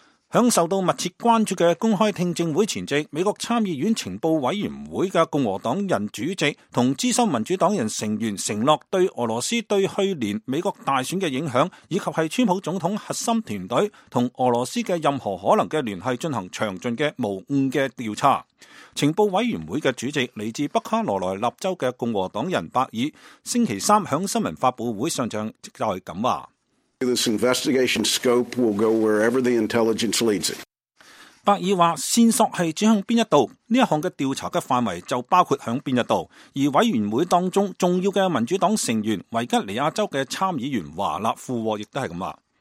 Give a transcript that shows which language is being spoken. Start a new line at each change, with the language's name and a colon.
Chinese: 享受到密切关注的公开听证会前夕，美国参议院情报委员会的共和党人主席和资深民主党人成员承诺，对俄罗斯对去年美国大选的影响，以及是川普总统核心团队和俄罗斯的任何可能的联系，进行详尽的无误的调查。情报委员会的主席来自北卡罗来纳州的共和党人伯尔，星期三在新闻发布会上就是这样说。
English: This investigation scope will go wherever the intelligence leads it.
Chinese: 伯尔说，线索是指向哪一道，这项的调查的范围就包括向哪一道。而委员会当中重要的民主党成员维吉尼亚州的参议员华纳附和亦都是这样